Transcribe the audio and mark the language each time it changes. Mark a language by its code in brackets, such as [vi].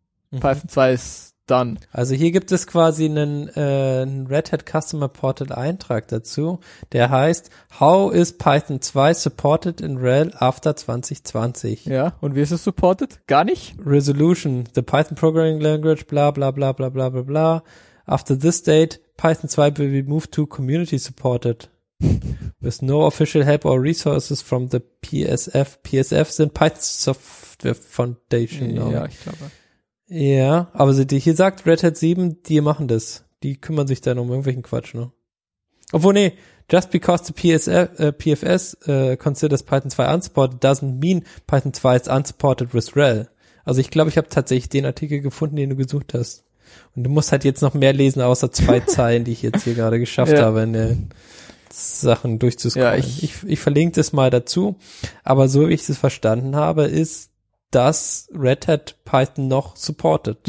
[de] Mhm. Python 2 ist done. Also hier gibt es quasi einen Red Hat Customer Ported Eintrag dazu, der heißt [en] How is Python 2 supported in RHEL after 2020? [de] Ja, und wie ist es supported? Gar nicht? [en] Resolution, the Python programming language, bla bla bla bla bla bla bla. After this date, Python 2 will be moved to community supported. With no official help or resources from the PSF. [de] PSF sind Python Software Foundation. Ja, [en] no. [de] Ich glaube. Ja, aber hier sagt Red Hat 7, die machen das. Die kümmern sich dann um irgendwelchen Quatsch, ne? Obwohl, nee, [en] just because the PFS considers Python 2 unsupported doesn't mean Python 2 is unsupported with RHEL. [de] Also ich glaube, ich habe tatsächlich den Artikel gefunden, den du gesucht hast. Und du musst halt jetzt noch mehr lesen, außer zwei Zeilen, die ich jetzt hier gerade geschafft habe. Ja. Sachen durchzuscrollen. Ja, ich verlinke das mal dazu. Aber so wie ich es verstanden habe, ist, dass Red Hat Python noch supportet.